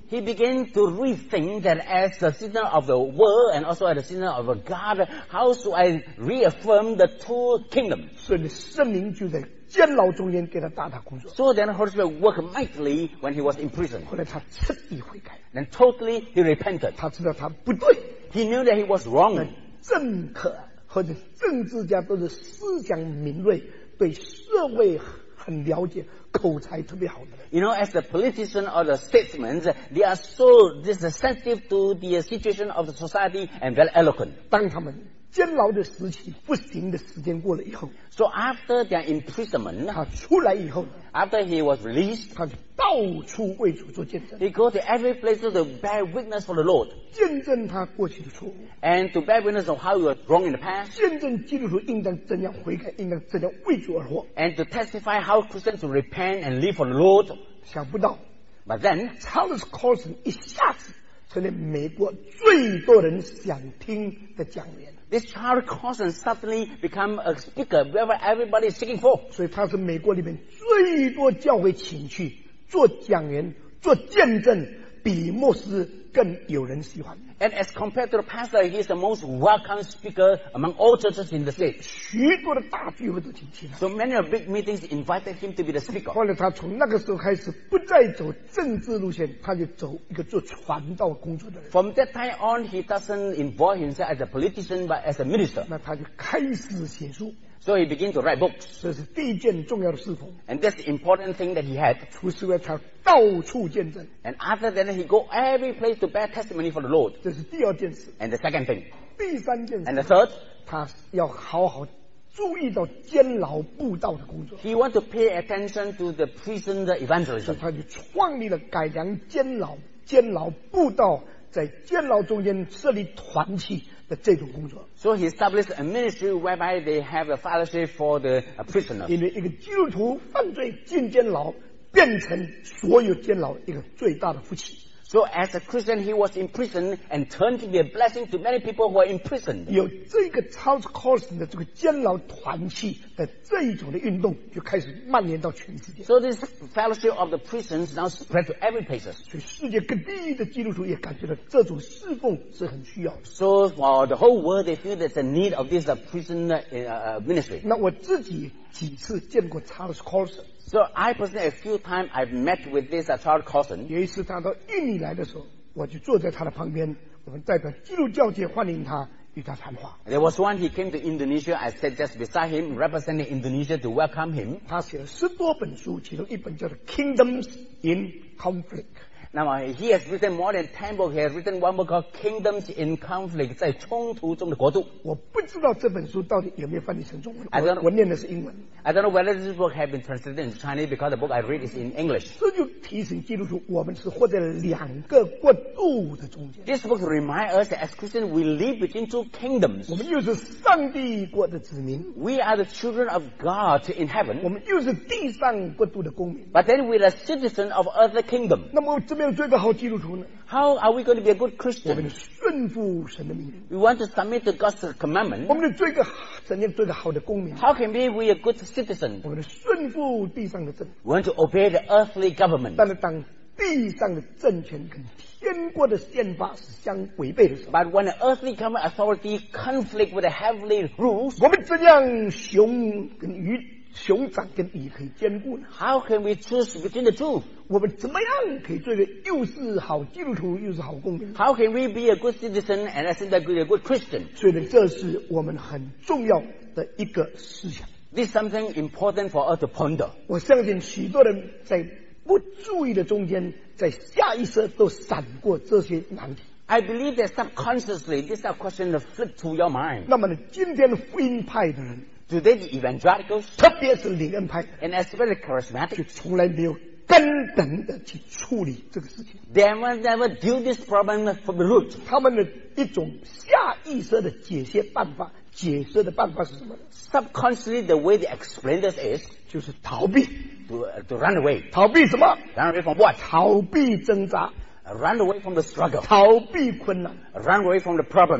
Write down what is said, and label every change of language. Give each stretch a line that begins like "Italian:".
English: ？He began to rethink that as a citizen of the world and also as a citizen of God, how should I reaffirm the two kingdoms？
Chinese: 所以圣灵就在。监牢中间给他大大工作。
English: So then Holy Spirit worked mightily when he was in prison.
Chinese: 后来他彻底悔改。
English: Then totally he repented.
Chinese: 他知道他不对。
English: He knew that he was wrong.
Chinese: 政客或者政治家都是思想敏锐，对社会很了解，口才特别好的。
English: You know, as the politician or the statesman, they are so sensitive to the situation of the society and very eloquent.
Chinese: 当他们监牢的时期不行的时间过了以后
English: ，So after their imprisonment，
Chinese: 他出来以后
English: ，After he was released，
Chinese: 他到处为主做见证。
English: He goes to every place to bear witness for the Lord，
Chinese: 见证他过去的错误
English: ，And to bear witness of how he was wrong in the past，
Chinese: 见证基督徒应当怎样悔改，应当怎样为主而活
English: ，And to testify how Christians repent and live for the Lord。
Chinese: 想不到
English: ，But then
Chinese: Charles Colson 一下子成了美国最多人想听的讲员。
English: This Charles Colson suddenly became a speaker wherever everybody is seeking for.
Chinese: 所以他是美国里面最多教会请去做讲员、做见证，比牧师更有人喜欢。
English: And as compared to the pastor, he is the most welcome speaker among all churches in the state.
Chinese: 许多的大聚会都请去了。
English: So many of big meetings invited him to be the speaker.
Chinese: 后来他从那个时候开始不再走政治路线，他就走一个做传道工作的人。
English: From that time on, he doesn't involve himself as a politician, but as a minister.
Chinese: 那他就开始写书。
English: So he began to write books.
Chinese: 这是第一件重要的事情。
English: And that's the important thing that he had.
Chinese: 除此之外，他到处见证。
English: And after that, he go every place to bear testimony for the Lord.
Chinese: 这是第二件事。
English: And the second thing.
Chinese: 第三件事。
English: And the third.
Chinese: 他要好好注意到监牢布道的工作。
English: He want to pay attention to the prison evangelism.
Chinese: 所以他就创立了改良监牢、监牢布道，在监牢中间设立团契。这种工作
English: so he established a ministry whereby they have a fellowship for the prisoners.
Chinese: 因为一个基督徒犯罪进监牢，变成所有监牢一个最大的福气。
English: So as a Christian, he was imprisoned and turned to be a blessing to many people who are imprisoned.
Chinese: 有这个 Charles Colson 的这个监牢团契的这一种的运动，就开始蔓延到全世界。
English: So this fellowship of the prisons now spread to every place.
Chinese: 所以世界各地的基督徒也感觉到这种侍奉是很需要的。
English: So for the whole world, they feel that the need of this prison ministry.
Chinese: 那我自己几次见过 Charles Colson。
English: So I personally a few times I've met with this Charles Colson.
Chinese: 有一次他到印尼来的时候，我就坐在他的旁边，我们代表基督教界欢迎他，与他谈话。
English: There was one he came to Indonesia. I sat just beside him, representing Indonesia to welcome him.
Chinese: 他写了十多本书，其中一本叫做《Kingdoms in Conflict》。
English: 那么 he has written more than 10 books. He has written one book called Kingdoms in Conflict,
Chinese: 在冲突中的国度。我不知道这本书到底有没有翻译成中文。我念的是英文。
English: I don't know whether this book has been translated into Chinese because the book I read is in English.
Chinese: 这就提醒基督徒，我们是活在两个国度的中间。
English: This book reminds us that as Christians we live between two kingdoms.
Chinese: 我们又是上帝国的子民。
English: We are the children of God in heaven.
Chinese: 我们又是地上国度的公民。
English: But then we are citizens of other kingdom.
Chinese: 那么怎么样做一个好基督徒呢？
English: How are we going to be a good Christian?
Chinese: 我们顺服神的命令。
English: We want to submit to God's commandment.
Chinese: 我们做一个怎样做一个好的公民？
English: How can we a good citizen?
Chinese: 我们顺服地上的政。
English: We want to obey the earthly government.
Chinese: 但是当地上的政权跟天国的宪法是相违背的时候，
English: But when the earthly government authority conflict with the heavenly rules,
Chinese: 我们怎样雄跟鱼？熊掌跟鱼可以兼顾呢
English: How can we choose between the two?
Chinese: 我们怎么样可以做的又是好基督徒又是好公民
English: How can we be a good citizen and at the same time be a good Christian?
Chinese: 所以呢这是我们很重要的一个思想
English: This is something important for us to ponder
Chinese: 我相信许多人在不注意的中间在下意识都闪过这些难题
English: I believe that subconsciously these are questions that flip to your mind
Chinese: 那么呢今天福音派的人
English: Today the evangelicals,
Chinese: 特别是灵恩派
English: and especially charismatic,
Chinese: 就从来没有根本的去处理这个事情。
English: They will never deal this problem from the root.
Chinese: 他们的一种下意识的解释办法，解释的办法是什么
English: ？Subconsciously, the way they explain this is,
Chinese: 就是逃避
English: to run away.
Chinese: 逃避什么
English: ？Run away from what?
Chinese: 逃避挣扎。
English: Run away from the struggle.
Chinese: 逃避困难。
English: Run away from the problems.